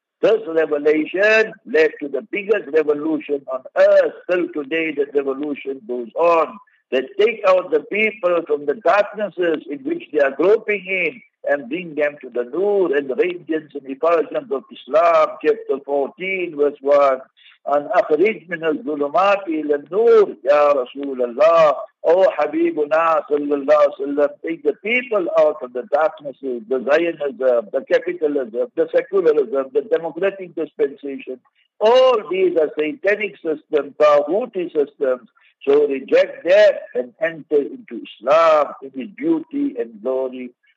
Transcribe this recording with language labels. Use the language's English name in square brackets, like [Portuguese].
[English] This revelation led to the biggest revolution on earth. Till today the revolution goes on. They take out the people from the darknesses in which they are groping in and bring them to the Nur and the radiance and effulgence of Islam, chapter 14, verse 1. [Arabic] أن أخرج من الظلمات إلى النور يا رسول الله أو حبيبنا صلى الله عليه وسلم. [English] Take the people out of the darknesses, the Zionism, the capitalism, the secularism, the democratic dispensation. All these are satanic systems, tawhuti systems. So reject that and enter into Islam in its beauty and glory.